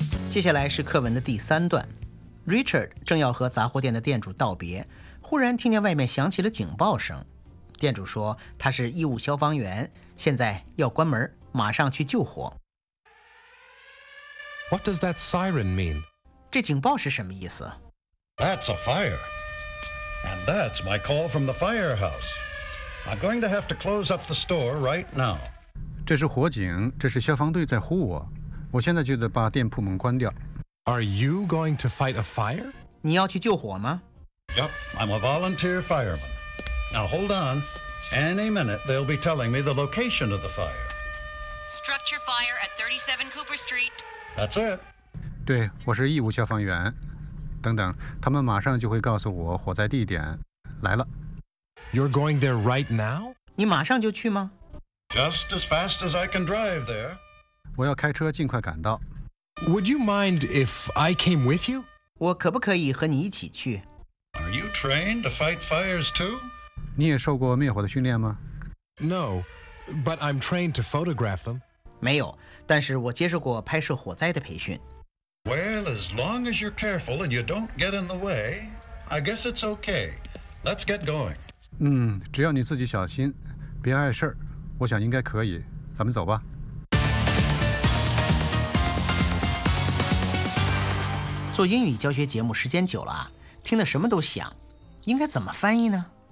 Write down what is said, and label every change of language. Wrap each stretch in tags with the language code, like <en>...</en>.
<zh>接下来是课文的第三段， Richard 正要和杂货店的店主道别，忽然听见外面响起了警报声，店主说他是义务消防员，现在要关门，马上去救火。</zh> <en>What does that siren mean?</en> <zh>这警报是什么意思？</zh> <en>That's a fire. And that's my call from the firehouse. I'm going to have to close up the store right now.</en> <zh>这是火警，这是消防队在呼我，我现在就得把店铺门关掉。</zh> <en>Are you going to fight a fire?</en> <zh>你要去救火吗？</zh> <en>Yep, I'm a volunteer fireman. Now hold on. Any minute, they'll be telling me the location of the fire. Structure fire at 37 Cooper Street. That's it.</en> <zh>对，我是义务消防员。等等，他们马上就会告诉我火灾地点。来了。</zh> <en>You're going there right now?</en> <zh>你马上就去吗？</zh> <en>Just as fast as I can drive there.</en> <zh>我要开车尽快赶到。</zh> <en>Would you mind if I came with you?</en> <zh>我可不可以和你一起去？</zh> <en>Are you trained to fight fires too?</en> <zh>你也受过灭火的训练吗？</zh> <en>No, but I'm trained to photograph them.</en> <zh>没有，但是我接受过拍摄火灾的培训。</zh> <en>Well, as long as you're careful and you don't get in the way, I guess it's okay. Let's get going.</en> <zh>只要你自己小心，别碍事儿，我想应该可以，咱们走吧。做英语教学节目时间久了啊，听得什么都想，应该怎么翻译呢？</zh>